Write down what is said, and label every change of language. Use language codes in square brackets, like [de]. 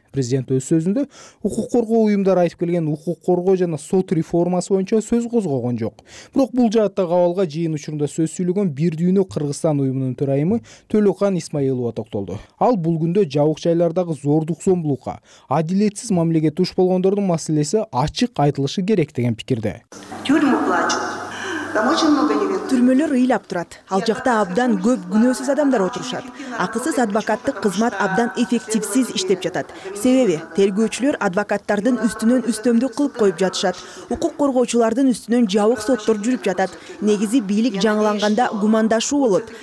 [ky] Президент өз сөзүндө укук коргоо уюмдары айтып келген укук коргоо жана сот реформасы боюнча сөз козгогон жок. Бирок бул жаатта кабалга жыйын учурунда сөз сүйлөгөн бир дүйнө Кыргызстан уюмунун төрайымы Төлөкан Исмаилова токтолду. Ал бул күндө жабык жайлардагы зордук зомбулукка, адилетсиз мамлекет туш болгондордун маселеси ачык айтылышы керек деген пикирде. [ru] Тюрьмы плачут. Там очень много невинных [ky] түрмөлөр ыйлап турат. Ал жакта абдан көп күнөөсүз адамдар отурушат. Акысыз адвокаттык кызмат абдан эффективсиз иштеп жатат. Себеби тергөөчүлөр адвокаттардын үстүнөн үстөмдүк кылып коюп жатышат. Укук коргоочулардын үстүнөн жабык соттор жүрүп жатат. Негизи бийлик жаңыланганда гумандашуу болот.